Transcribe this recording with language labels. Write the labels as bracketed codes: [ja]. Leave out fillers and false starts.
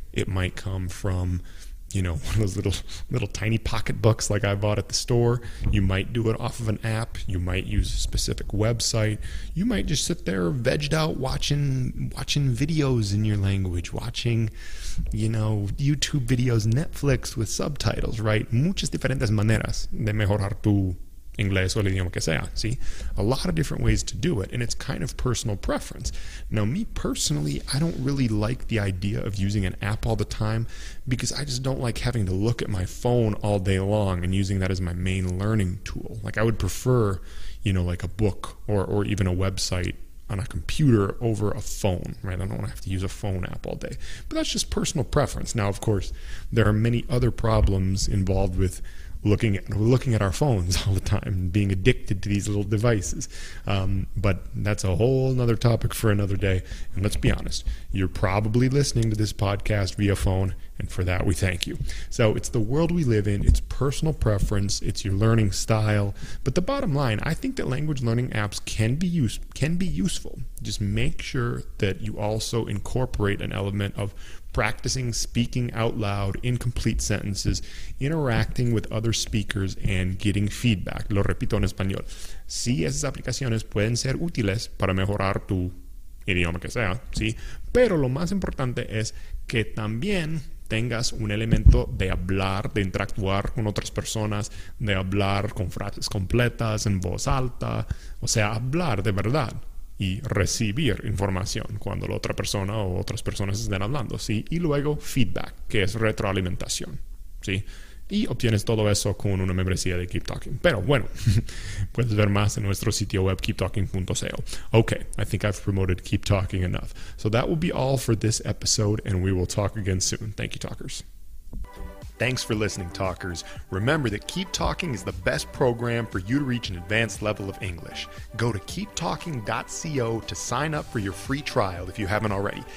[en] It might come from, you know, one of those little tiny pocketbooks like I bought at the store. You might do it off of an app. You might use a specific website. You might just sit there vegged out watching videos in your language, watching, you know, YouTube videos, Netflix with subtitles, right? [es] Muchas diferentes maneras de mejorar tu inglés o el idioma que sea. [en] See, a lot of different ways to do it, and it's kind of personal preference. Now, me personally, I don't really like the idea of using an app all the time because I just don't like having to look at my phone all day long and using that as my main learning tool. Like, I would prefer, you know, like a book or even a website on a computer over a phone, right? I don't want to have to use a phone app all day. But that's just personal preference. Now, of course, there are many other problems involved with looking at our phones all the time, being addicted to these little devices. But that's a whole nother topic for another day. And let's be honest, you're probably listening to this podcast via phone, and for that we thank you. So it's the world we live in, it's personal preference, it's your learning style. But the bottom line, I think that language learning apps can be useful. Just make sure that you also incorporate an element of practicing speaking out loud in complete sentences, interacting with other speakers, and getting feedback. [es] Lo repito en español. Sí, esas aplicaciones pueden ser útiles para mejorar tu idioma que sea, ¿sí? Pero lo más importante es que también tengas un elemento de hablar, de interactuar con otras personas, de hablar con frases completas, en voz alta. O sea, hablar de verdad. Y recibir información cuando la otra persona o otras personas estén hablando, ¿sí? Y luego feedback, que es retroalimentación, ¿sí? Y obtienes todo eso con una membresía de Keep Talking. Pero bueno, puedes ver más en nuestro sitio web, keeptalking.co. [en] Okay, I think I've promoted Keep Talking enough. So that will be all for this episode, and we will talk again soon. Thank you, talkers. Thanks for listening, talkers. Remember that Keep Talking is the best program for you to reach an advanced level of English. Go to keeptalking.co to sign up for your free trial if you haven't already.